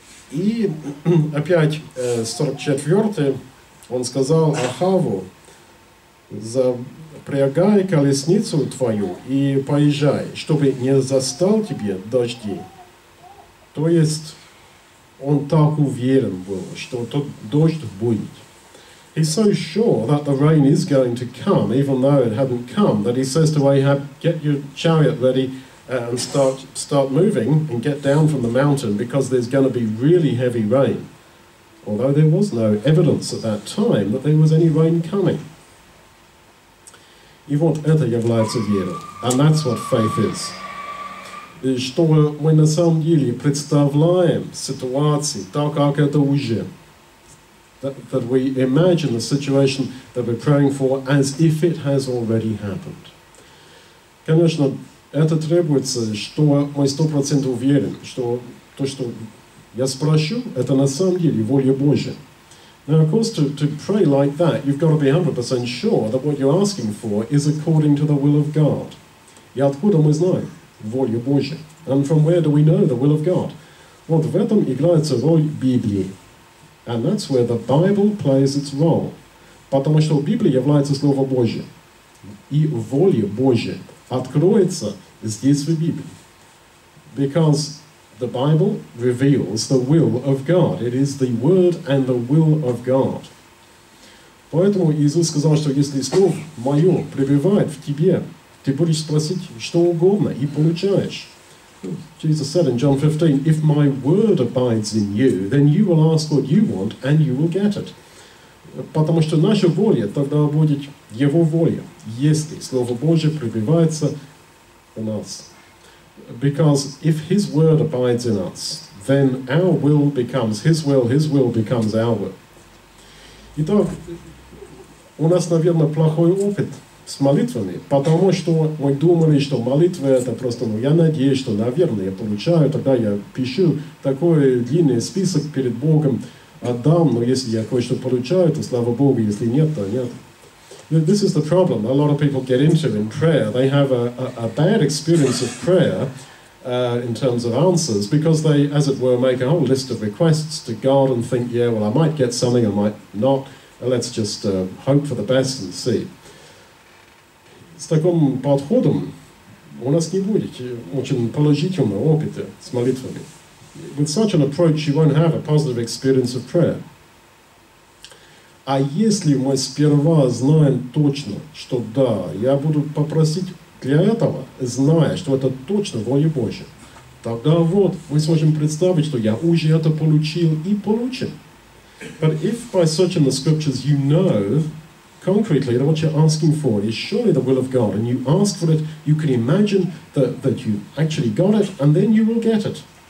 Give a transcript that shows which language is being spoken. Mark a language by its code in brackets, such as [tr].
[ru] И опять 44-й он сказал Ахаву за «Прягай колесницу твою и поезжай, чтобы не застал тебе дожди». То есть он так уверен был, что тот дождь будет. [en] He's so sure that the rain is going to come, even though it hadn't come, that he says to Ahab, get your chariot ready and start moving and get down from the mountain because there's going to be really heavy rain. Although there was no evidence at that time that there was any rain coming. [ru] И вот это является верой. [en] And that's what faith is. [ru] И что мы на самом деле представляем ситуацию так, как это уже. [en] That we imagine the situation that we're praying for as if it has already happened. [ru] Конечно, это требуется, что мы 100% уверены, что то, что я спрошу, это на самом деле воля Божия. [en] Now, of course, to pray like that, you've got to be 100% sure that what you're asking for is according to the will of God. [ru] И откуда мы знаем волю Божию? [en] And from where do we know the will of God? [ru] Вот в этом играется роль Библии. [en] And that's where the Bible plays its role. [ru] Потому что Библия является Слово Божие. И воля Божия откроется здесь в Библии. [en] Because the Bible reveals the will of God. It is the word and the will of God. [ru] Поэтому Иисус сказал, что если Слово Мое пребывает в тебе, ты будешь спросить что угодно и получаешь. [en] Jesus said in John 15, if my word abides in you, then you will ask what you want and you will get it. [ru] Потому что наша воля тогда будет Его воля, если Слово Божие пребывается в нас. [en] Because if His word abides in us, then our will becomes His will becomes our will. [ru] Итак, у нас, наверное, плохой опыт с молитвами, потому что мы думали, что молитва это просто, ну, я надеюсь, что, наверное, я получаю, тогда я пишу такой длинный список перед Богом, отдам, но если я кое-что получаю, то слава Богу, если нет, то нет. [en] This is the problem a lot of people get into in prayer. They have a bad experience of prayer in terms of answers because they, as it were, make a whole list of requests to God and think, yeah, well, I might get something, I might not. Let's just hope for the best and see. [ru] С таким подходом у нас не будет очень положительного опыта с молитвами. [en] With such an approach, you won't have a positive experience of prayer. [ru] А если мы сперва знаем точно, что да, я буду попросить для этого, зная, что это точно воля Божья, тогда вот мы сможем представить, что я уже это получил и получен. [en] But if by searching the scriptures you know concretely that what you're asking for is surely the will of God, and you ask for it, you can imagine that you actually got it, and then you will get it.